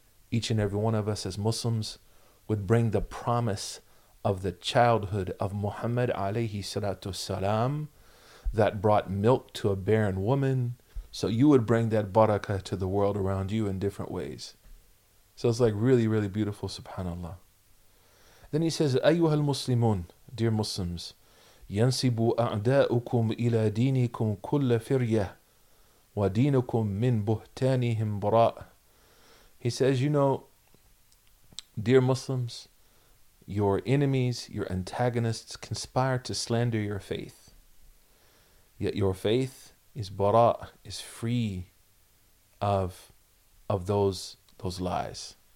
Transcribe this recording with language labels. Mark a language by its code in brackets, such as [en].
[en] Each and every one of us as Muslims would bring the promise of the childhood of Muhammad alayhi salatu salam that brought milk to a barren woman. So you would bring that barakah to the world around you in different ways. So it's like really, really beautiful, subhanAllah. Then he says, [ar] أيها المسلمون, [en] dear Muslims, [ar] ينسب أعداؤكم إلى دينكم كل فرية ودينكم من بهتانهم براء. [en] He says, you know, dear Muslims, your enemies, your antagonists conspire to slander your faith. Yet your faith is bara, is free of those lies.